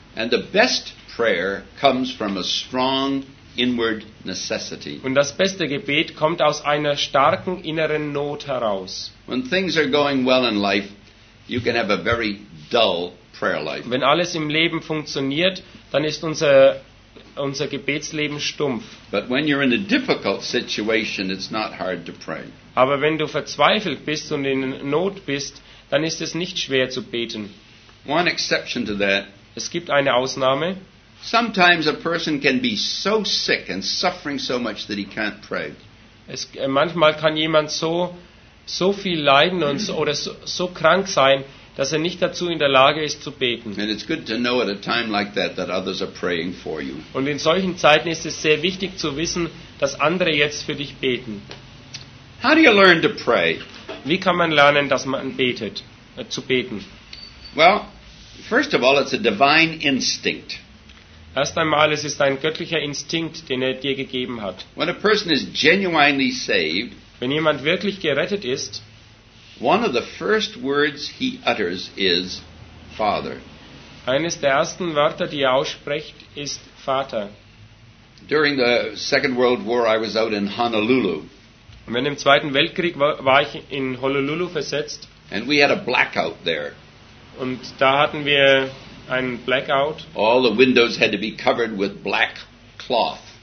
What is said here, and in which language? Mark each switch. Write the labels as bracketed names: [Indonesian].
[English] And the best prayer comes from a strong inward necessity. [German] Und das beste Gebet kommt aus einer starken inneren Not heraus. [English] When things are going well in life, you can have a very dull prayer life. [German] Wenn alles im Leben funktioniert, dann ist unser Gebetsleben stumpf. [English] But when you're in a difficult situation, it's not hard to pray. [German] Aber wenn du verzweifelt bist und in Not bist, dann ist es nicht schwer zu beten. [English] One exception to that. [German] Es gibt eine Ausnahme. [English] Sometimes a person can be so sick and suffering so much that he can't pray. [German] Manchmal kann jemand so viel leiden und so krank sein, dass er nicht dazu in der Lage ist zu beten. [English] And it's good to know at a time like that that others are praying for you. [German] Und in solchen Zeiten ist es sehr wichtig zu wissen, dass andere jetzt für dich beten. [English] How do you learn to pray? [German] Wie kann man lernen, dass man betet, zu beten? [English] Well, first of all, it's a divine instinct. [German] Erst einmal, es ist ein göttlicher Instinkt, den er dir gegeben hat. [English] When a person is genuinely saved, [German] wenn jemand wirklich gerettet ist, [English] one of the first words he utters is Father. [German] Eines der ersten Wörter, die er ausspricht, ist Vater. [English] During the Second World War, I was out in Honolulu. [German] Und während dem Zweiten Weltkrieg war ich in Honolulu versetzt. [English] And we had a blackout there. [German] Und da hatten wir einen Blackout. [English] All the windows had to be covered with black cloth.